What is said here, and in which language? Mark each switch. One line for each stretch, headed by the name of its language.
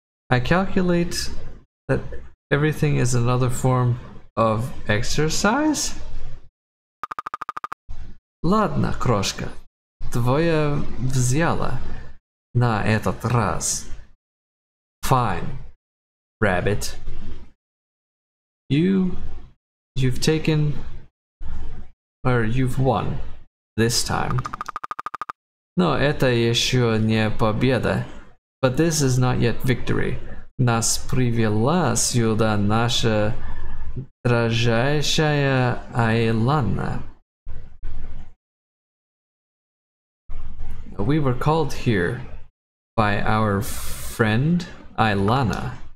English: I calculate that everything is another form of exercise?
Russian: Ладно, крошка, твоя взяла на этот раз.
English: Fine, rabbit. You've won this time.
Russian: Но это еще не победа.
English: But this is not yet victory.
Russian: Нас привела сюда наша дражайшая Айлана.
English: We were called here by our friend Айлана.